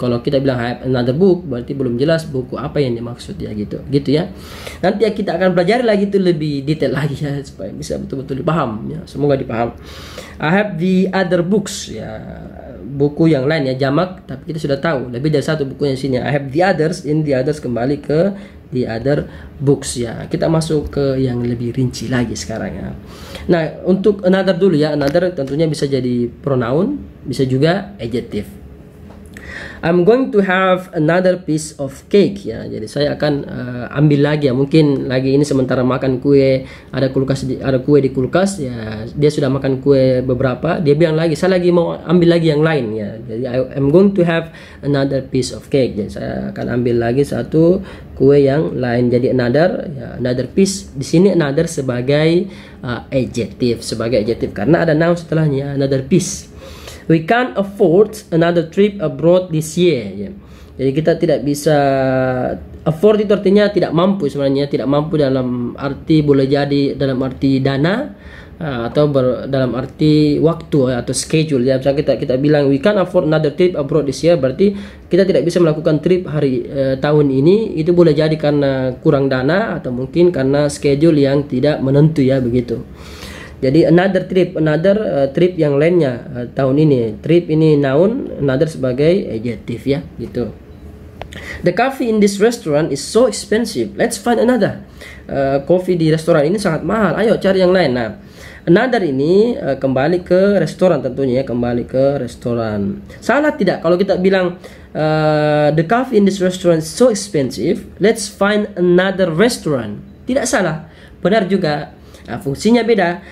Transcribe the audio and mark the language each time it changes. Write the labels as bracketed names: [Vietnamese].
[Indonesian] Kalau kita bilang [English] I have another book, [Indonesian] berarti belum jelas buku apa yang dimaksud. Ya gitu. Gitu ya. Nanti ya kita akan belajar lagi itu lebih detail lagi ya, supaya bisa betul-betul dipaham. Ya, semoga dipaham. [English] I have the other books. Ya. [Indonesian] Buku yang lain ya, jamak, tapi kita sudah tahu lebih dari satu bukunya di sini. [English] I have the others, in the others [Indonesian] kembali ke [English] the other books ya. [Indonesian] Kita masuk ke yang lebih rinci lagi sekarang ya. Nah, untuk another dulu ya, another tentunya bisa jadi pronoun, bisa juga adjective. [English] I'm going to have another piece of cake ya. [Indonesian] Jadi saya akan ambil lagi ya. Mungkin lagi ini sementara makan kue, ada kue di kulkas ya. Dia sudah makan kue beberapa, dia bilang lagi, saya lagi mau ambil lagi yang lain ya. [English] Jadi I'm going to have another piece of cake. [Indonesian] Jadi saya akan ambil lagi satu kue yang lain. [English] Jadi another ya, another piece. [Indonesian] Di sini another sebagai adjective karena ada noun setelahnya, another piece. [English] We can't afford another trip abroad this year. [Indonesian] Jadi kita tidak bisa, afford itu artinya tidak mampu sebenarnya. Tidak mampu dalam arti boleh jadi dalam arti dana atau dalam arti waktu atau schedule. Ya, misalnya kita bilang [English] we can't afford another trip abroad this year, [Indonesian] berarti kita tidak bisa melakukan trip hari tahun ini. Itu boleh jadi karena kurang dana atau mungkin karena schedule yang tidak menentu ya, begitu. Jadi another trip yang lainnya tahun ini. Trip ini noun, another sebagai adjective ya, gitu. [English] The coffee in this restaurant is so expensive. Let's find another. [Indonesian] Coffee di restoran ini sangat mahal. Ayo cari yang lain. Nah, another ini kembali ke restoran tentunya ya, kembali ke restoran. Salah tidak kalau kita bilang [English] the coffee in this restaurant is so expensive. Let's find another restaurant. [Indonesian] Tidak salah. Benar juga. Nah, fungsinya beda.